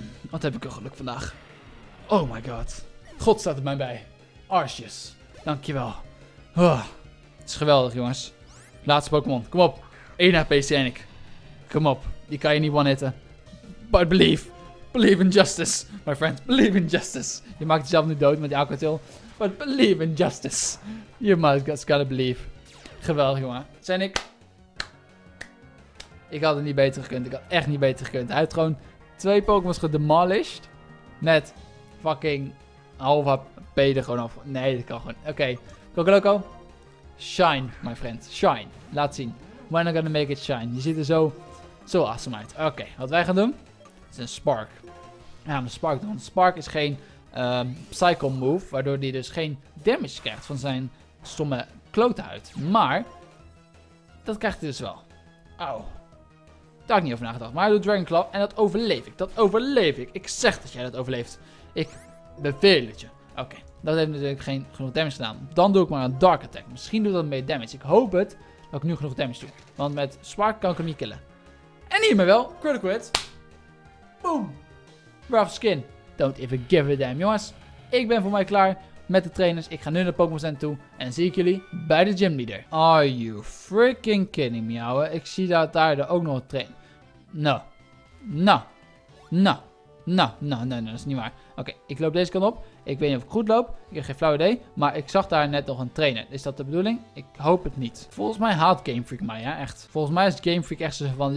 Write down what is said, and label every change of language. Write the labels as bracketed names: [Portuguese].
[Dutch] Wat heb ik een geluk vandaag. [English] Oh my god. [Dutch] God staat er mij bij. Arsjes. Dankjewel. Oh. Het is geweldig, jongens. Laatste Pokémon. Kom op. 1 HP, Sennik. Kom op. Die kan je niet one-hitten. [English] But believe. Believe in justice, my friend. Believe in justice. [Dutch] Je maakt jezelf nu dood met die Aquatil. [English] But believe in justice. You must just gotta believe. [Dutch] Geweldig, jongen. Sennik. Ik had het niet beter gekund. Ik had echt niet beter gekund. Hij heeft gewoon 2 Pokémon gedemolished. Net fucking half HP er gewoon af. Nee, dat kan gewoon. Oké. Cocoloco. [English] Shine, my friend. Shine. [Dutch] Laat zien. [English] When I'm gonna make it shine. [Dutch] Je ziet er zo awesome uit. Oké. Wat wij gaan doen. Is een Spark. Ja, een Spark doen. Spark is geen Psycho Move. Waardoor hij dus geen damage krijgt van zijn stomme klote huid. Maar. Dat krijgt hij dus wel. Auw. Daar had ik niet over nagedacht. Maar hij doet Dragon Claw en dat overleef ik. Dat overleef ik. Ik zeg dat jij dat overleeft. Ik beveel het je. Oké. Dat heeft natuurlijk geen genoeg damage gedaan. Dan doe ik maar een Dark Attack. Misschien doet dat meer damage. Ik hoop het dat ik nu genoeg damage doe. Want met Spark kan ik hem niet killen. En hiermee wel. Critical hit. Boom. Rough skin. [English] Don't even give a damn, jongens. [Dutch] Ik ben voor mij klaar met de trainers. Ik ga nu naar de Pokémon Center toe. En zie ik jullie bij de gym leader. [English] Are you freaking kidding me, ouwe? [Dutch] Ik zie dat daar ook nog een train. Nou, dat is niet waar. Oké, ik loop deze kant op. Ik weet niet of ik goed loop. Ik heb geen flauw idee. Maar ik zag daar net nog een trainer. Is dat de bedoeling? Ik hoop het niet. Volgens mij haat Game Freak mij, ja, echt. Volgens mij is Game Freak echt zo van...